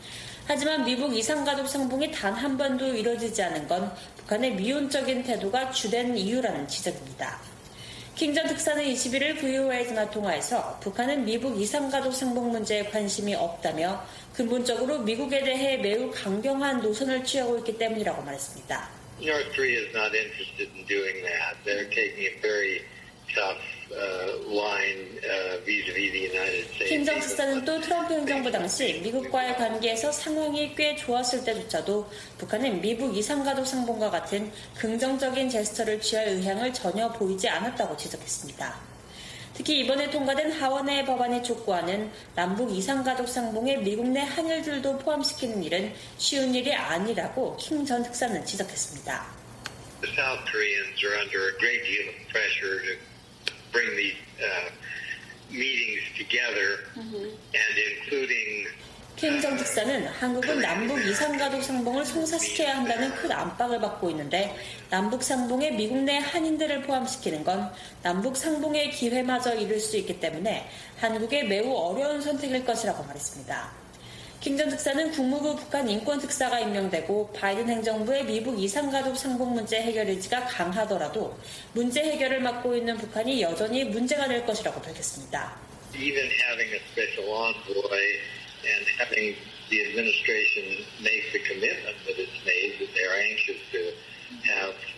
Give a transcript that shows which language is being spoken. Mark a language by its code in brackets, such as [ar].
[ko] 하지만 미북 이산가족 상봉이 단 한 번도 이루어지지 않은 건 북한의 미온적인 태도가 주된 이유라는 지적입니다. 킹 전 특사는 21일 VOA 전화 통화에서 북한은 미북 이산가족 상봉 문제에 관심이 없다며 근본적으로 미국에 대해 매우 강경한 노선을 취하고 있기 때문이라고 말했습니다. [en] North Korea is not interested in doing that. They're taking a very tough line vis-à-vis the United States. [ko] 킹 전 특사는 또 트럼프 행정부 당시 미국과의 관계에서 상황이 꽤 좋았을 때조차도 북한은 미북 이산가족 상봉과 같은 긍정적인 제스처를 취할 의향을 전혀 보이지 않았다고 지적했습니다. 특히 이번에 통과된 하원의 법안이 촉구하는 남북 이산가족 상봉에 미국 내 한일들도 포함시키는 일은 쉬운 일이 아니라고 킹 전 특사는 지적했습니다. [en] The South Koreans are under a great deal of pressure to bring these meetings together, and including. [ko] 킹 전 특사는 한국은 남북 이산가족 상봉을 성사시켜야 한다는 큰 압박을 받고 있는데 남북 상봉에 미국 내 한인들을 포함시키는 건 남북 상봉의 기회마저 잃을 수 있기 때문에 한국의 매우 어려운 선택일 것이라고 말했습니다. 킹 전 특사는 국무부 북한 인권특사가 임명되고 바이든 행정부의 미북 이산가족 상봉 문제 해결 의지가 강하더라도 문제 해결을 맡고 있는 북한이 여전히 문제가 될 것이라고 밝혔습니다. [en] Even having a special envoy and having the administration make the commitment that it's made that they're anxious to have